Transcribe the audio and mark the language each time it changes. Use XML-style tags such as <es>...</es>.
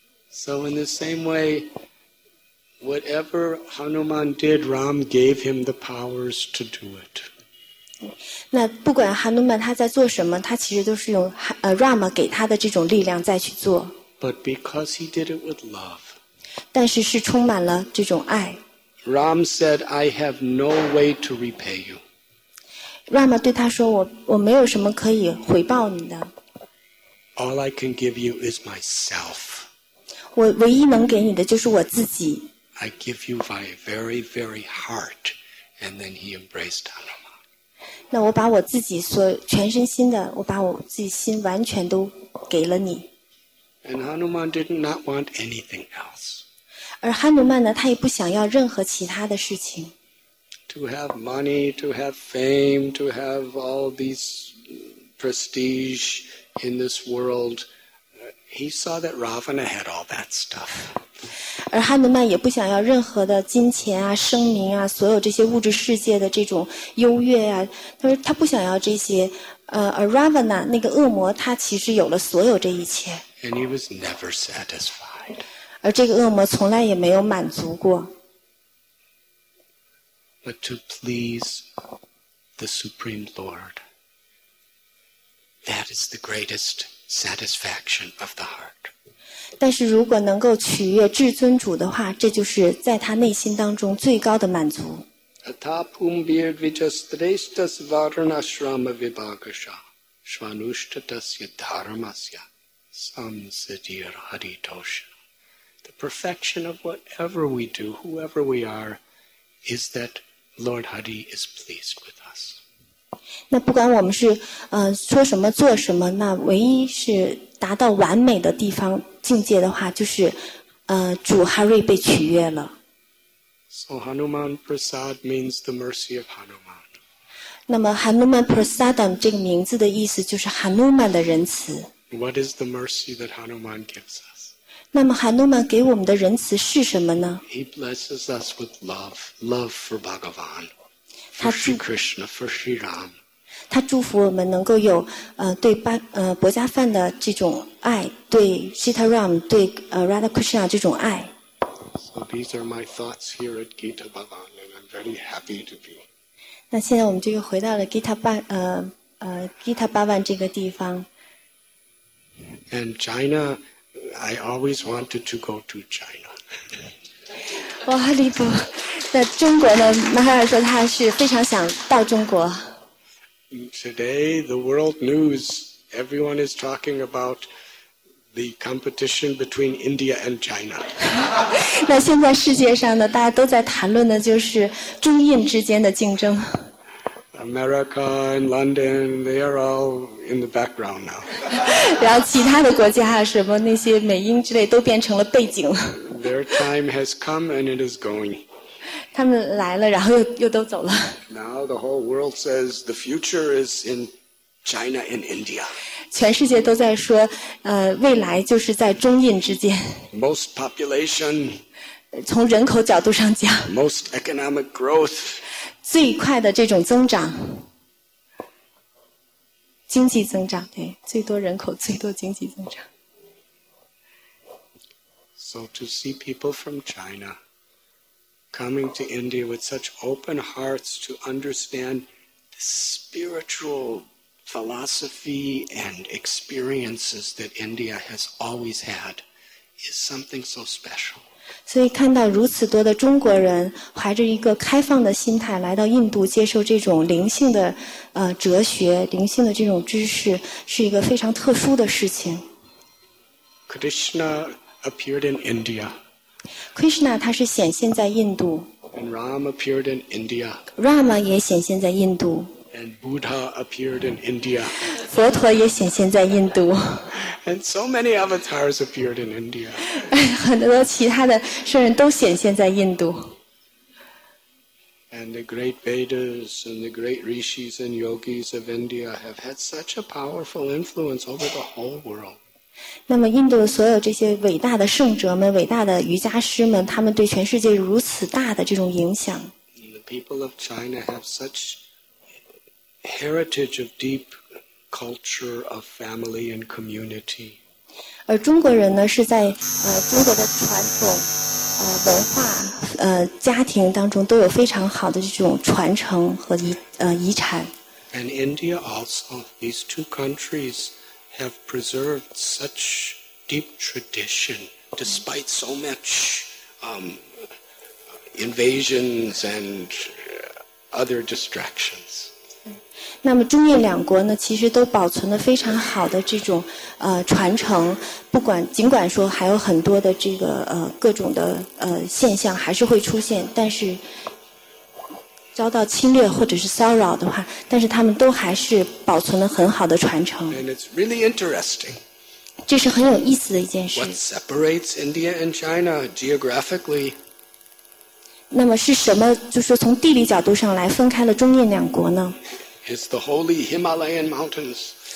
<en>So in the same way, whatever Hanuman did, Ram gave him the powers to do it.</en> <zh>那不管 Hanuman 他在做什么，他其实都是用Ram 给他的这种力量再去做。</zh> <en>But because he did it with love.</en> <zh>但是是充满了这种爱。</zh> <en>Ram said, "I have no way to repay you."</en> <zh>Rama 对他说，我没有什么可以回报你的。</zh> <en>All I can give you is myself.</en> <zh>我唯一能给你的就是我自己。</zh> <en>I give you my very, very heart. And then he embraced Hanuman.</en> <zh>那我把我自己所全身心的，我把我自己心完全都给了你。</zh> <en>And Hanuman did not want anything else.</en> <zh>而哈努曼呢，他也不想要任何其他的事情。</zh> <en>To have money, to have fame, to have all these prestige in this world, he saw that Ravana had all that stuff.</en> <zh>而哈努曼也不想要任何的金钱啊、声名啊、所有这些物质世界的这种优越啊。他说他不想要这些。而 Ravana 那个恶魔，他其实有了所有这一切。</zh> <en>And he was never satisfied.</en> <zh>而这个恶魔从来也没有满足过。</zh> <en>But to please the Supreme Lord, that is the greatest satisfaction of the heart.</en> <zh>但是如果能够取悦至尊主的话，这就是在他内心当中最高的满足。</zh> <sa>Atapum bird vijastresdas varnashrama vibhagasha svanushtatasya dharmasya samsidir haditosha.</sa> <en>The perfection of whatever we do, whoever we are, is that. Lord Hari is pleased with us.</en> <zh>那不管我们是说什么做什么，那唯一是达到完美的地方境界的话，就是主哈瑞被取悦了。</zh> <en>So Hanuman Prasad means the mercy of Hanuman.</en> <zh>那么 Hanuman Prasadam 这个名字的意思就是 Hanuman 的仁慈。</zh> <en>What is the mercy that Hanuman gives us?</en> <zh>那么哈努曼给我们的仁慈是什么呢</zh> <en>？He blesses us with love, love for Bhagavan, for Sri Krishna, for Sri Ram.</en> <zh>他祝福我们能够有对薄伽梵的这种爱，对 Sita Ram, 对Radha Krishna 这种爱。</zh> <en>So these are my thoughts here at Gita Bhavan, and I'm very happy to be.</en> <zh>那现在我们就又回到了 Gita Bhavan 这个地方。</zh> <en>And China. I always wanted to go to China.</en> <zh>哇，离谱！那中国呢？马哈尔说他是非常想到中国。</zh> <en>Today, the world news, everyone is talking about the competition between India and China.</en> <zh>那现在世界上呢，大家都在谈论的就是中印之间的竞争。</zh> <en>America and London, they are all in the background now.</en> <zh>然后其他的国家什么那些美英之类都变成了背景了。</zh> <en>Their time has come and it is going.</en> <zh>他们来了，然后又都走了。</zh> <en>Now the whole world says the future is in China and India.</en> <zh>全世界都在说，未来就是在中印之间。</zh> <en>Most population.</en> <zh>从人口角度上讲。</zh> <en>Most economic growth.</en> <zh>最快的这种增长，经济增长，对，最多人口，最多经济增长。</zh> <en>So to see people from China coming to India with such open hearts to understand the spiritual philosophy and experiences that India has always had is something so special.</en> <zh>所以看到如此多的中国人怀着一个开放的心态来到印度接受这种灵性的哲学灵性的这种知识是一个非常特殊的事情</zh> <en>Krishna appeared in India</en> <zh>Krishna 他是显现在印度</zh> <en>And Ram appeared in India</en> <zh>Rama 也显现在印度</zh> <en>And Buddha appeared in India</en> <zh>佛陀也显现在印度</zh> <en>And so many avatars appeared in India.</en> <zh>很多其他的圣人都显现在印度。</zh> <en>And the great Vedas and the great rishis and yogis of India have had such a powerful influence over the whole world.</en> <zh>那么印度的所有这些伟大的圣哲们、伟大的瑜伽师们，他们对全世界如此大的这种影响。</zh> <en>The people of China have such heritage of deep. Culture of family and community.</en> <zh>而中国人呢是在中国的传统文化家庭当中都有非常好的这种传承和遗产。</zh> <en>And India also, these two countries have preserved such deep tradition despite so much invasions and other distractions.</en> <zh>那么中印两国呢其实都保存了非常好的这种传承，不管尽管说还有很多的这个各种的现象还是会出现，但是遭到侵略或者是骚扰的话，但是他们都还是保存了很好的传承。</zh> <en>And it's really interesting.</en> <zh>这是很有意思的一件事。</zh> <en>What separates India and China geographically?</en> <zh>那么是什么，就是说从地理角度上来分开了中印两国呢？</zh> <en>It's the holy Himalayan mountains.</en>